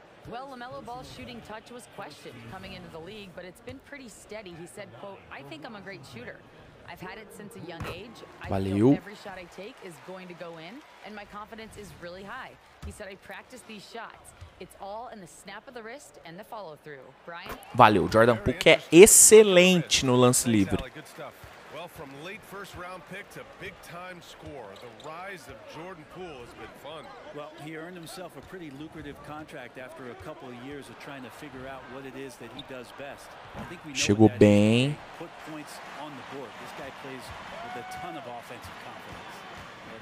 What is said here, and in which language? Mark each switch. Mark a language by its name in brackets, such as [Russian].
[English] Well, LaMelo Ball's shooting touch was questioned coming into the league, but it's been pretty steady. He said, quote, I think I'm a great shooter. I've had it since a young age. [Portuguese] Valeu. [English] Every shot I take is going to go in, and my confidence is really high. He said I practice these shots. It's all in the snap of the wrist and the follow through. Brian. [Portuguese] Valeu, Jordan Poole é excelente no lance livre. [English] Well, from late first round pick to big time score, the rise of Jordan Poole has been fun. Well, he earned himself a pretty lucrative contract after a couple of years of trying to figure out what it is that he does best. I think we [Portuguese] chegou bem. [English] Put points on the board. This guy plays with a ton of offensive confidence.